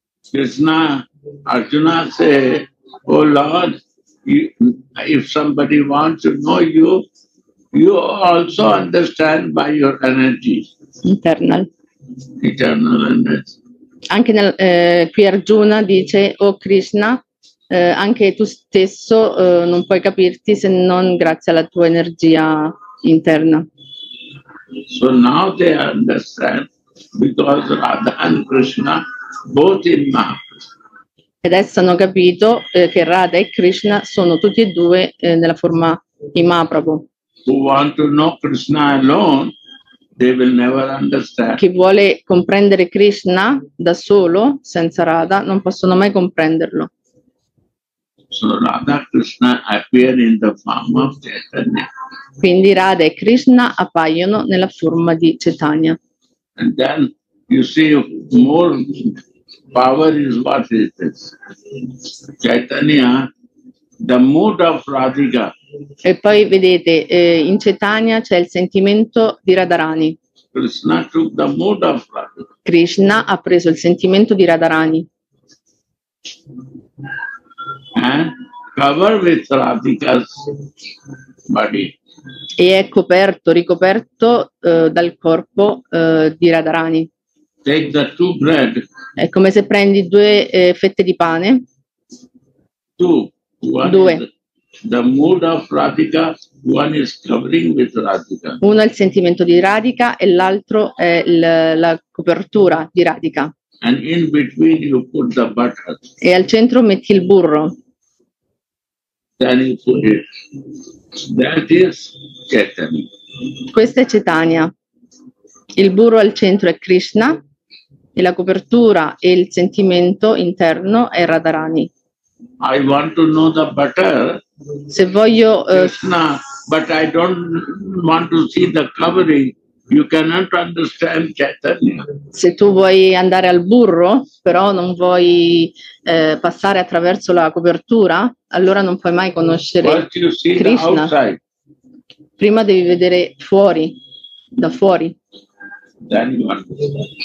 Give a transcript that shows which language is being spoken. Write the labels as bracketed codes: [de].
[en] Krishna, Arjuna say, O Lord, if somebody wants to know you, you also understand by your energy. Internal. Internal energy. [it] Anche nel, qui Arjuna dice, O Krishna, anche tu stesso non puoi capirti se non grazie alla tua energia interna. [en] So now they understand because Radha and Krishna both in Mahaprabhu. [it] Ed adesso hanno capito che Radha e Krishna sono tutti e due nella forma di Mahaprabhu. [en] Who want to know Krishna alone, they will never understand. [it] Chi vuole comprendere Krishna da solo, senza Radha, non possono mai comprenderlo. [en] So Radha Krishna appear in the form of Chaitanya. [it] Quindi Radha e Krishna appaiono nella forma di Chaitanya. [en] And then you see more power is what is this? Chaitanya, the mood of Radhika. [it] E poi vedete, in Chaitanya c'è il sentimento di Radharani. [en] Krishna took the mood of Radhika. [it] Krishna ha preso il sentimento di Radharani. [en] And cover with Radhika's body. [it] E è coperto, ricoperto dal corpo di Radharani. [en] Take the two bread. [it] È come se prendi due fette di pane. Due. [en] The mood of Radhika, one is covering with Radhika. [it] Uno è il sentimento di Radhika e l'altro è la copertura di Radhika. [en] And in between you put the butter. [it] E al centro metti il burro. [en] Then you put it. That is Chaitanya. [it] Questa è Chaitanya. Il burro al centro è Krishna. E la copertura e il sentimento interno è Radharani. [en] I want to know the butter. [it] Se voglio [en] Krishna, but I don't want to see the covering. You cannot understand Chaitanya. [it] Se tu vuoi andare al burro, però non vuoi passare attraverso la copertura, allora non puoi mai conoscere Krishna. Prima devi vedere fuori, da fuori. [en] Then you understand.